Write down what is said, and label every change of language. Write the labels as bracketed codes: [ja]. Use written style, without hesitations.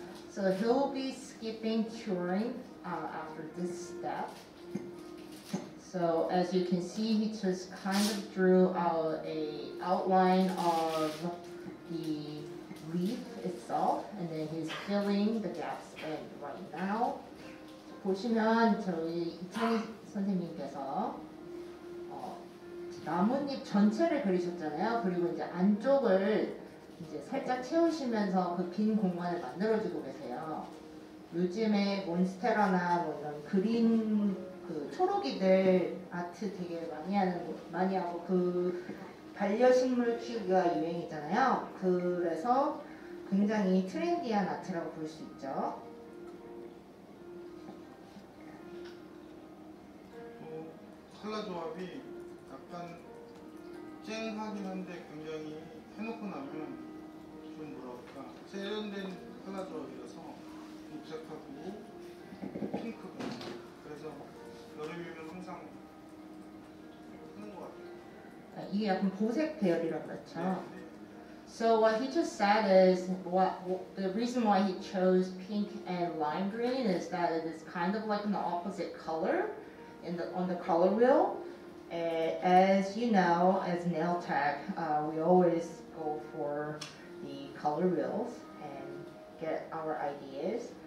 [en] So he'll be skipping curing after this step. So as you can see, he just kind of drew out a outline of the leaf itself, and then he's filling the gaps in right now. [ko] 보시면 저희 이찬희 선생님께서 나뭇잎 전체를 그리셨잖아요. 그리고 이제 안쪽을 이제 살짝 채우시면서 그 빈 공간을 만들어주고 계세요. 요즘에 몬스테라나 뭐 이런 그린 그 초록이들 아트 되게 많이 하는 많이 하고 그 반려식물 키우기가 유행이잖아요. 그래서 굉장히 트렌디한 아트라고 볼 수 있죠. 컬러 조합이 약간 쨍하긴 한데 굉장히 해놓고 나면 좀 뭐랄까 세련된 컬러 조합이라서 묵색하고 핑크 분홍 그래서 여름이면 항상 하는 것 같아요. 이게 약간 보색 계열이라고 그랬죠? 네. [en] So what he just said is what the reason why he chose pink and lime green is that it is kind of like an opposite color in the on the color wheel. As you know, as nail tech, we always go for the color wheels and get our ideas.